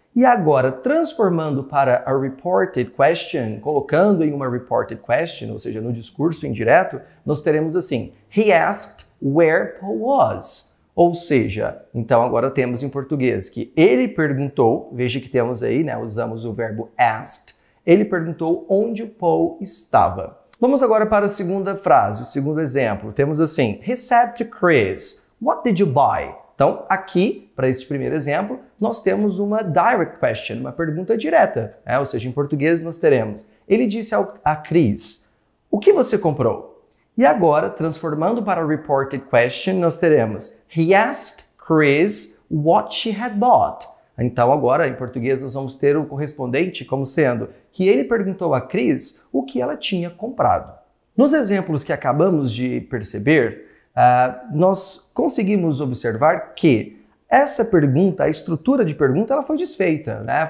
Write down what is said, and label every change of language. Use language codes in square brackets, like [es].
[pt] E agora, transformando para a reported question, colocando em uma reported question, ou seja, no discurso indireto, nós teremos assim, [en] he asked where Poe was. [pt] Ou seja, então agora temos em português que ele perguntou, veja que temos aí, né, usamos o verbo asked, ele perguntou onde o Poe estava. Vamos agora para a segunda frase, o segundo exemplo. Temos assim, [en] he said to Chris, what did you buy? [pt] Então, aqui, para esse primeiro exemplo, nós temos uma direct question, uma pergunta direta. Né? Ou seja, em português nós teremos, ele disse a Chris, o que você comprou? E agora, transformando para a reported question, nós teremos, [en] he asked Chris what she had bought. [pt] Então agora, em português, nós vamos ter o correspondente como sendo que ele perguntou a Chris o que ela tinha comprado. Nos exemplos que acabamos de perceber, nós conseguimos observar que essa pergunta, a estrutura de pergunta, ela foi desfeita, né?